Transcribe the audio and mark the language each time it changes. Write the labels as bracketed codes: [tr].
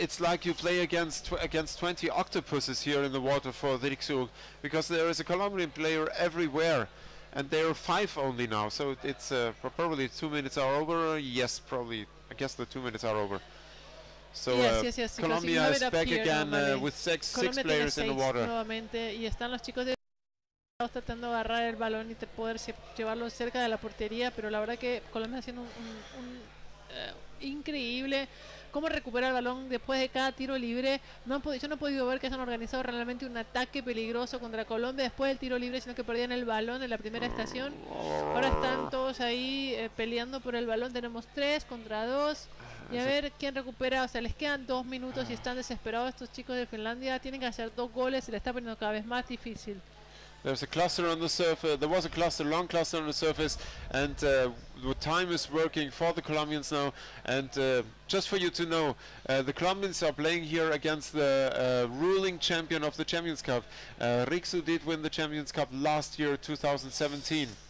[en] It's like you play against against 20 octopuses here in the water for the Riksug, because there is a Colombian player everywhere, and there are five only now. So it's probably 2 minutes are over. Yes, probably. I guess the 2 minutes are over. So yes, Colombia is back again with six players in the water. [es] Nuevamente, y están los chicos de tratando de agarrar el balón y poder llevarlo cerca de la portería, pero la verdad que Colombia está haciendo un increíble cómo recupera el balón después de cada tiro libre. Yo no he podido ver que se han organizado realmente un ataque peligroso contra Colombia después del tiro libre, sino que perdían el balón en la primera estación. Ahora están todos ahí peleando por el balón. Tenemos 3-2. Y a ver quién recupera, o sea, les quedan 2 minutos y están desesperados estos chicos de Finlandia. Tienen que hacer 2 goles y le está poniendo cada vez más difícil. [en] There's a cluster on the surface. There was a cluster, long cluster on the surface, and the time is working for the Colombians now. And just for you to know, the Colombians are playing here against the ruling champion of the Champions Cup. Riksu did win the Champions Cup last year, 2017.